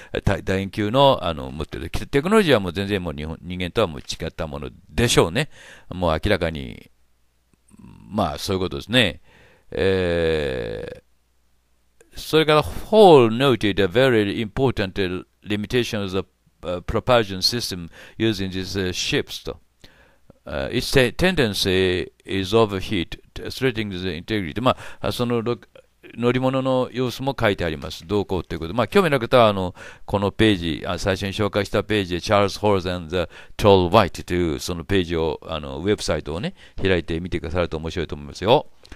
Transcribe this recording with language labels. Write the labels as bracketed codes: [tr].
[ja] 大円球 の, あの持ってるテクノロジーはもう全然もう 人間とはもう違ったものでしょうね。もう明らかに、まあそういうことですね。それから [en] Hall noted a very important limitation of the propulsion system using these ships と。 Its tendency is overheat, threatening the integrity. [ja] まあ、その乗り物の様子も書いてあります。動向ということで。まあ、興味のある方は、このページ、最初に紹介したページで、Charles Halls and the Tall White という、そのページを、ウェブサイトをね、開いてみてくださると面白いと思いますよ。